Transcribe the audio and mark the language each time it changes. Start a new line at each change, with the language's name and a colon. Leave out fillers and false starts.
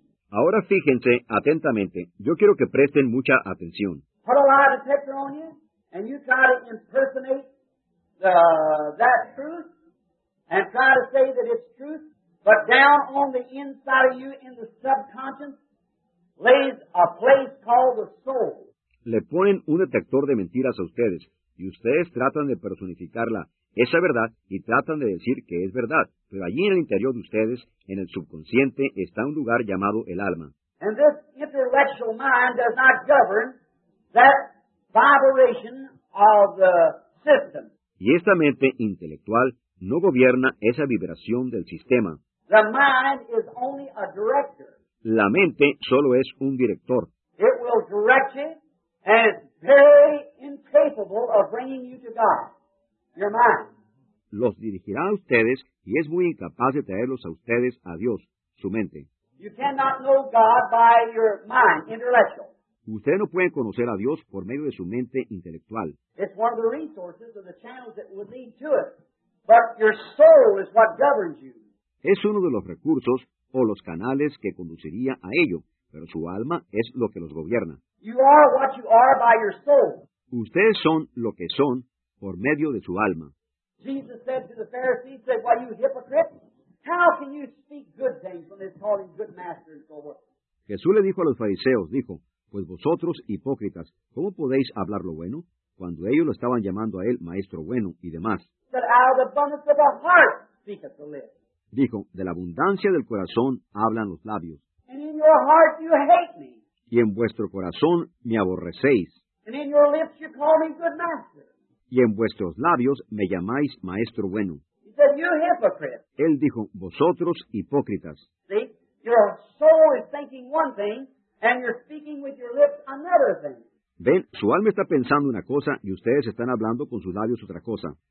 Spanish: Ahora fíjense atentamente. Yo quiero que presten mucha atención.
English: Put a lie detector on you, and you try to impersonate that truth, and try to say that it's truth, but down on the inside of you, in the subconscious, lays a place called the soul.
Spanish: Le ponen un detector de mentiras a ustedes, y ustedes tratan de personificarla, esa verdad, y tratan de decir que es verdad. Pero allí en el interior de ustedes, en el subconsciente, está un lugar llamado el alma.
English: And this intellectual mind does not govern that vibration of the system.
Spanish: Y esta mente intelectual no gobierna esa vibración del sistema.
English: The mind is only a director.
Spanish: La mente solo es un director.
English: It will direct you. And it's very incapable of bringing you to God, your mind.
Spanish: Los dirigirá a ustedes y es muy incapaz de traerlos a ustedes a Dios, su mente.
English: You cannot know God by your mind, intellectual.
Spanish: Ustedes no pueden conocer a Dios por medio de su mente intelectual.
English: It's one of the resources of the channels that would lead to it. But your soul is what governs you.
Spanish: Es uno de los recursos o los canales que conduciría a ello. Pero su alma es lo que los gobierna.
English: You are what you are by your soul.
Spanish: Ustedes son lo que son por medio de su alma.
English: Jesus said to the Pharisees, said, "Why, you hypocrites? How can you speak good things when they call him good master and so forth?"
Spanish: Jesús le dijo a los fariseos, dijo, "Pues vosotros hipócritas, ¿cómo podéis hablar lo bueno cuando ellos lo estaban llamando a él maestro bueno y demás?"
English: Said, "Out of the abundance of the heart speaketh the lips."
Spanish: Dijo, "De la abundancia del corazón hablan los labios."
English: And in your heart you hate me.
Spanish: Y en vuestro corazón me aborrecéis.
English: And in your lips you call me good master.
Spanish: Y en vuestros labios me llamáis maestro bueno.
English: He said, "You hypocrite."
Spanish: Él dijo, vosotros hipócritas.
English: See, your soul is thinking one thing, and you're speaking with your lips another thing.
Spanish: Ven, su alma está pensando una cosa, y ustedes están hablando con sus labios otra cosa.